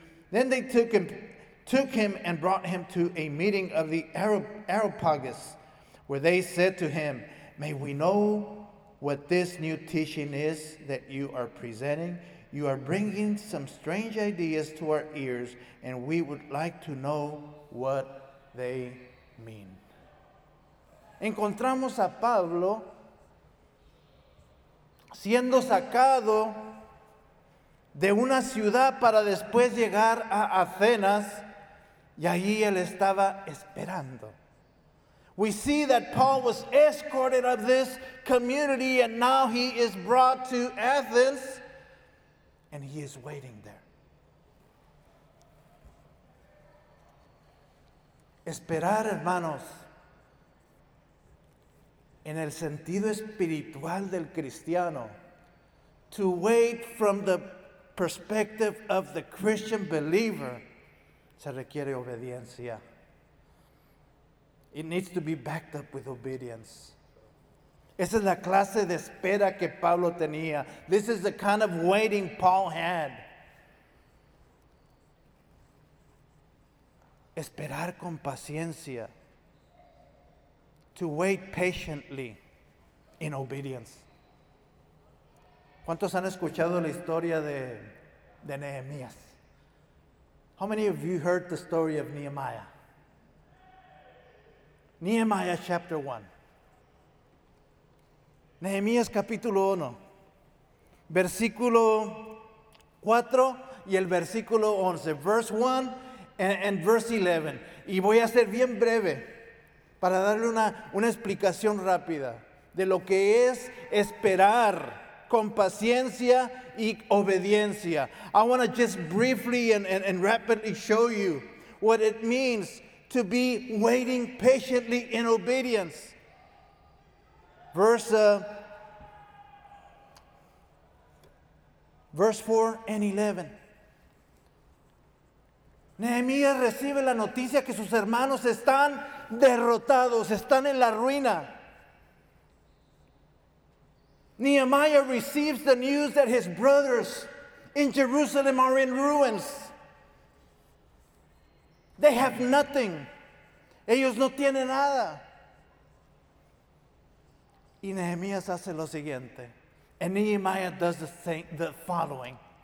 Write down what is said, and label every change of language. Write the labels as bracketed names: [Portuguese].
[English] Then they took him and brought him to a meeting of the Areopagus, where they said to him, may we know what this new teaching is that you are presenting? You are bringing some strange ideas to our ears, and we would like to know what they mean. [Spanish] Encontramos a Pablo siendo sacado de una ciudad para después llegar a Atenas, y allí él estaba esperando. [English] We see that Paul was escorted out of this community, and now he is brought to Athens, and he is waiting there. [Spanish] Esperar, hermanos, en el sentido espiritual del cristiano, [English] to wait from the perspective of the Christian believer, [Spanish] se requiere obediencia. [English] It needs to be backed up with obedience. [Spanish] Esa es la clase de espera que Pablo tenía. [English] This is the kind of waiting Paul had. [Spanish] Esperar con paciencia. [English] To wait patiently in obedience. [Spanish] ¿Cuántos han escuchado la historia de Nehemías? [English] How many of you heard the story of Nehemiah? Nehemiah chapter 1. [Spanish] Nehemías capítulo 1, versículo 4, y el versículo 11. [English] Verse 1 and verse 11. [Spanish] Y voy a ser bien breve para darle una explicación rápida de lo que es esperar con paciencia y obediencia. [English] I want to just briefly and rapidly show you what it means to be waiting patiently in obedience. Verse 4 and 11. [Spanish] Nehemías recibe la noticia que sus hermanos están derrotados, están en la ruina. [English] Nehemiah receives the news that his brothers in Jerusalem are in ruins. They have nothing. [Spanish] Ellos no tienen nada. Y Nehemías hace lo siguiente. [English] And Nehemiah does the following.